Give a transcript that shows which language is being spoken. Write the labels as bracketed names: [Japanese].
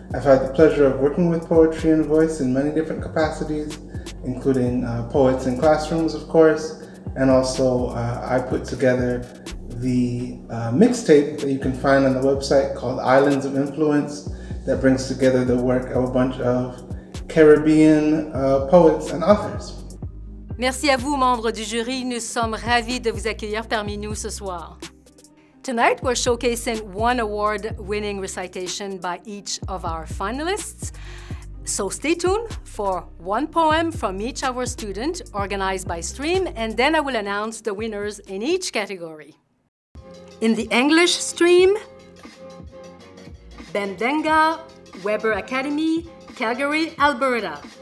[English] I've had the pleasure of working with poetry and voice in many different capacities, including poets in classrooms, of course, and also I put together the mixtape that you can find on the website called Islands of Influence that brings together the work of a bunch of Caribbean poets and authors. [French] Merci à vous, membres du jury. Nous sommes ravis de vous accueillir parmi nous ce soir. [English] Tonight, we're showcasing one award-winning recitation by each of our finalists. So stay tuned for one poem from each of our students organized by stream, and then I will announce the winners in each category. In the English stream, Bendenga, Weber Academy, Calgary, Alberta.